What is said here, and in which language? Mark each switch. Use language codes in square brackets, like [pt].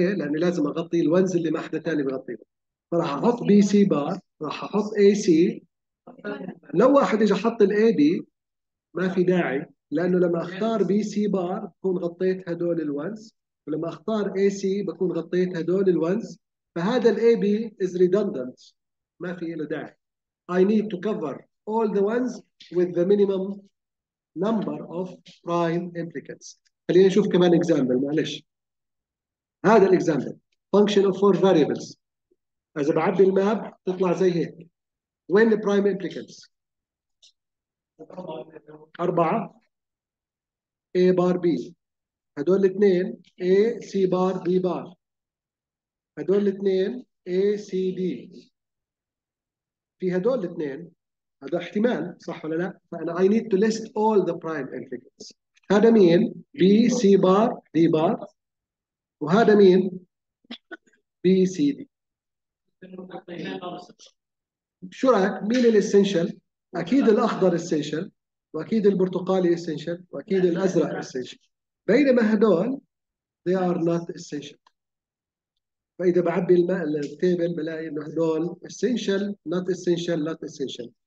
[ar] ليه؟ لاني لازم اغطي الونز اللي ما حدا ثاني بغطيه. فراح احط بي سي بار، راح احط اي سي. لو واحد اجى حط الاي بي ما في داعي، لانه لما اختار بي سي بار بكون غطيت هدول الونز، ولما اختار اي سي بكون غطيت هدول الونز، فهذا الاي بي [en] is redundant, [ar] ما في له داعي. [en] I need to cover all the ones with the minimum number of prime implicates. [ar] خلينا نشوف كمان example. معلش هذا الاكزامبل function of four variables، اذا بعبي الماب تطلع زي هيك. وين the prime implicates؟ أربعة A bar B، هدول الاثنين A C bar B bar، هدول الاثنين A C D، في هدول الاثنين، هذا احتمال صح ولا لا؟ فانا [en] I need to list all the prime implicates. [ar] هذا مين؟ B C bar D bar، وهذا مين؟ B C D. شو رايك؟ مين الاسينشال؟ اكيد الاخضر اسينشال، واكيد البرتقالي اسينشال، واكيد الازرق اسينشال، بينما هدول [en] they are not essential. [ar] فاذا بعبي التيبل بلاقي انه هدول essential not essential not essential.